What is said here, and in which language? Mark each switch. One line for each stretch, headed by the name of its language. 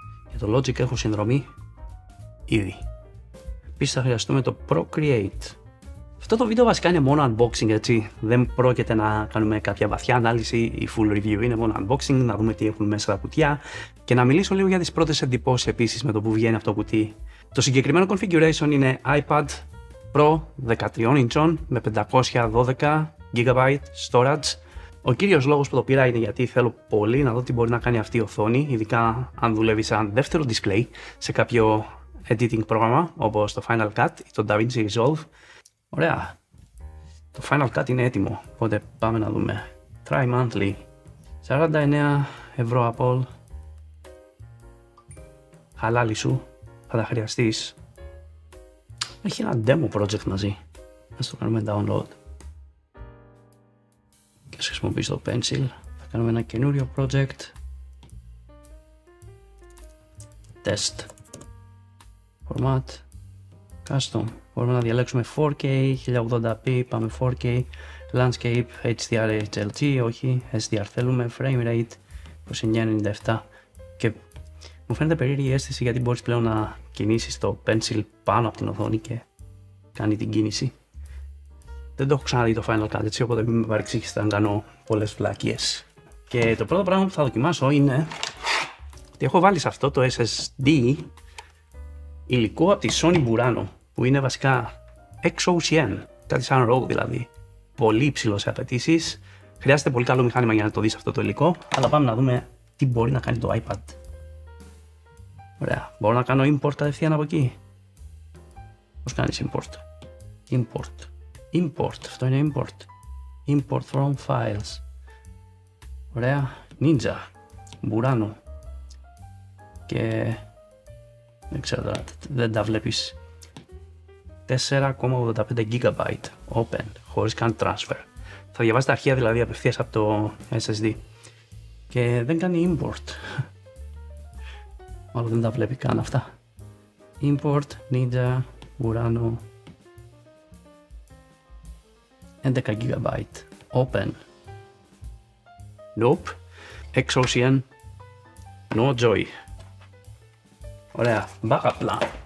Greek: Για το Logic έχω συνδρομή ήδη. Επίσης θα χρειαστούμε το Procreate. Αυτό το βίντεο βασικά είναι μόνο unboxing, έτσι. Δεν πρόκειται να κάνουμε κάποια βαθιά ανάλυση ή full review. Είναι μόνο unboxing, να δούμε τι έχουν μέσα τα κουτιά και να μιλήσω λίγο για τις πρώτες εντυπώσεις επίσης με το που βγαίνει αυτό το κουτί. Το συγκεκριμένο configuration είναι iPad Pro 13 inch με 512 GB storage. Ο κύριος λόγος που το πήρα είναι γιατί θέλω πολύ να δω τι μπορεί να κάνει αυτή η οθόνη, ειδικά αν δουλεύει σαν δεύτερο display σε κάποιο editing πρόγραμμα όπως το Final Cut ή το DaVinci Resolve. Ωραία, το Final Cut είναι έτοιμο, οπότε πάμε να δούμε.
English: Try Monthly,
Greek: 49 ευρώ από όλ. Χαλάλι σου, θα τα χρειαστείς. Έχει ένα demo project μαζί, ας το κάνουμε download. Και ας χρησιμοποιήσω το pencil, θα κάνουμε ένα καινούριο project.
English: Test. Format. Custom.
Greek: Μπορούμε να διαλέξουμε 4K, 1080p, πάμε 4K, Landscape, HDR, HLG, όχι, SDR θέλουμε, Frame Rate, 2997. Και μου φαίνεται περίεργη αίσθηση γιατί μπορείς πλέον να κινήσεις το pencil πάνω από την οθόνη και κάνει την κίνηση. Δεν το έχω ξαναδεί το Final Cut, έτσι, οπότε μην με παρεξήγησε να κάνω πολλές φλακίες. Και το πρώτο πράγμα που θα δοκιμάσω είναι ότι έχω βάλει σε αυτό το SSD υλικό από τη Sony Burano, που είναι βασικά XOCN, κάτι σαν RAW δηλαδή. Πολύ υψηλό σε απαιτήσεις. Χρειάζεται πολύ καλό μηχάνημα για να το δεις αυτό το υλικό, αλλά πάμε να δούμε τι μπορεί να κάνει το iPad. Ωραία, μπορώ να κάνω import κατευθείαν από εκεί. Πώς κάνεις import? Import. Import, αυτό είναι import.
English: Import from files.
Greek: Ωραία, Ninja, Burano. Και δεν ξέρω τώρα, δεν τα βλέπεις. 4,85 GB open, χωρίς καν transfer. Θα διαβάσει τα αρχεία δηλαδή απευθείας από το SSD. Και δεν κάνει import. Μάλλον δεν τα βλέπει καν αυτά.
English: Import, Ninja, Burano. 11 GB open. Nope. XOCN. No joy.
Greek: Ωραία.
English: Backup plan.